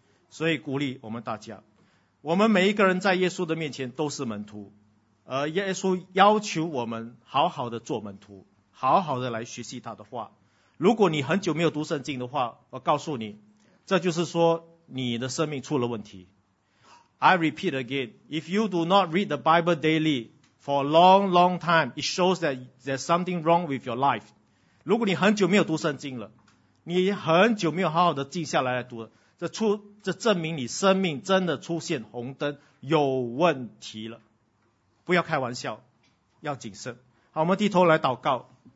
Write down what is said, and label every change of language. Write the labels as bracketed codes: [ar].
[zh] 所以鼓励我们大家，我们每一个人在耶稣的面前都是门徒，而耶稣要求我们好好的做门徒，好好的来学习他的话。如果你很久没有读圣经的话，我告诉你，这就是说你的生命出了问题。 [en] I repeat again, if you do not read the Bible daily for a long long time, it shows that there's something wrong with your life. [zh] 如果你很久没有读圣经了，你很久没有好好的静下来读了，这证明你生命真的出现红灯，有问题了。不要开玩笑，要谨慎。好，我们低头来祷告。